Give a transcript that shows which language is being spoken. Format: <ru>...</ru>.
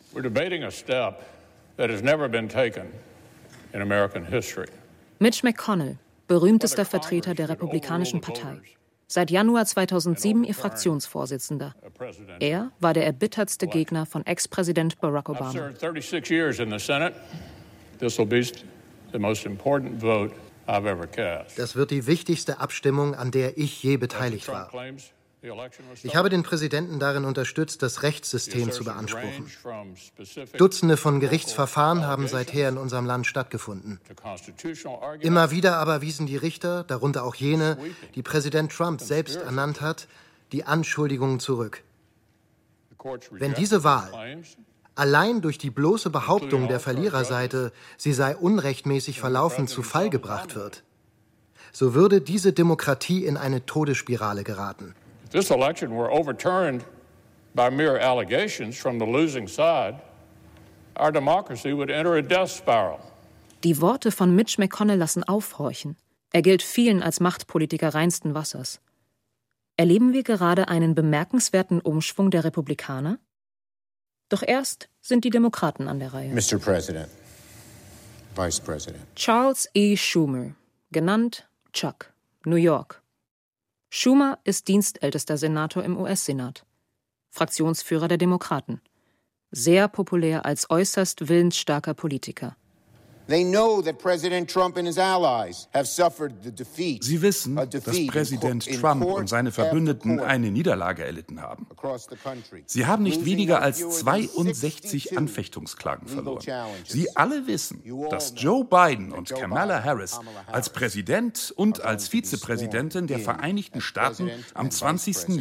<en>We're debating a step that has never been taken in American history.</en> <de>Mitch McConnell, berühmtester Vertreter der Republikanischen Partei, seit Januar 2007 ihr Fraktionsvorsitzender. Er war der erbittertste Gegner von Ex-Präsident Barack Obama.</de> <en>I've served 36 years in the Senate. This will be the most important vote I've ever cast.</en> <de>Das wird die wichtigste Abstimmung, an der ich je beteiligt war. Ich habe den Präsidenten darin unterstützt, das Rechtssystem zu beanspruchen. Dutzende von Gerichtsverfahren haben seither in unserem Land stattgefunden. Immer wieder aber wiesen die Richter, darunter auch jene, die Präsident Trump selbst ernannt hat, die Anschuldigungen zurück. Wenn diese Wahl allein durch die bloße Behauptung der Verliererseite, sie sei unrechtmäßig verlaufen, zu Fall gebracht wird, so würde diese Demokratie in eine Todesspirale geraten.</de> <en>If this election were overturned by mere allegations from the losing side, our democracy would enter a death spiral.</en> <de>Die Worte von Mitch McConnell lassen aufhorchen. Er gilt vielen als Machtpolitiker reinsten Wassers. Erleben wir gerade einen bemerkenswerten Umschwung der Republikaner? Doch erst sind die Demokraten an der Reihe.</de> <en>Mr. President, Vice President.</en> <de>Charles E. Schumer, genannt Chuck, New York. Schumer ist dienstältester Senator im US-Senat, Fraktionsführer der Demokraten, sehr populär als äußerst willensstarker Politiker.</de> <en>They know that President Trump and his allies have suffered the defeat.</en> <de>Sie wissen, dass Präsident Trump und seine Verbündeten eine Niederlage erlitten haben. Sie haben nicht weniger als 62 Anfechtungsklagen verloren. Sie alle wissen, dass Joe Biden und Kamala Harris als Präsident und als Vizepräsidentin der Vereinigten Staaten am 20.</de>